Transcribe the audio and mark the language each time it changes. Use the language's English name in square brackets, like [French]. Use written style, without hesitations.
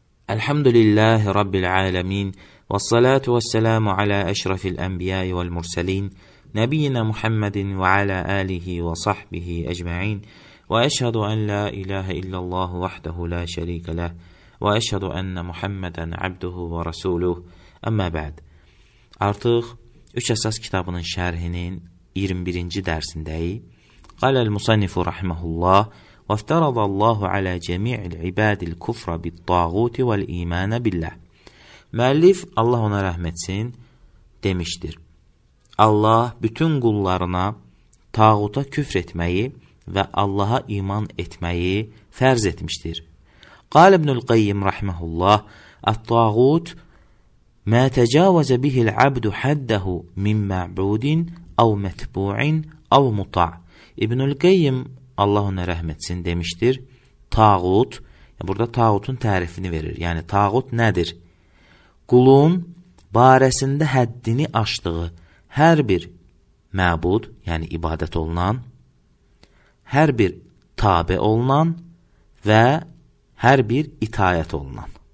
[Arabic] الحمد لله رب العالمين، والصلاة والسلام على أشرف الأنبياء والمرسلين، نبينا محمد وعلى آله وصحبه أجمعين، وأشهد أن لا إله إلا الله وحده لا شريك له، وأشهد أن محمدا عبده ورسوله. أما بعد، [Azerbaijani] artıq 3 əsas kitabının şərhinin 21-ci dərsindəyik. [Arabic] قال المصنف رحمه الله: وافترض الله على جميع العباد الكفر بالطاغوت والإيمان بالله. [Azerbaijani] Müəllif, Allah ona rəhmət etsin, demişdir: Allah bütün qullarına tağuta küfr etməyi və Allaha iman etməyi fərz etmişdir. [Arabic] قال ابن القيم رحمه الله: الطاغوت ما تجاوز به العبد حده من معبود أو متبوع أو مطاع. [Azerbaijani] İbn el-Qayyim, Allah ona rəhmət etsin, demişdir: Tağut, burada tağutun tərifini verir. Yəni tağut nədir? Qulun barəsində həddini aşdığı hər bir məbud, yəni ibadət olunan, hər bir tabe olunan və hər bir itayət olunan.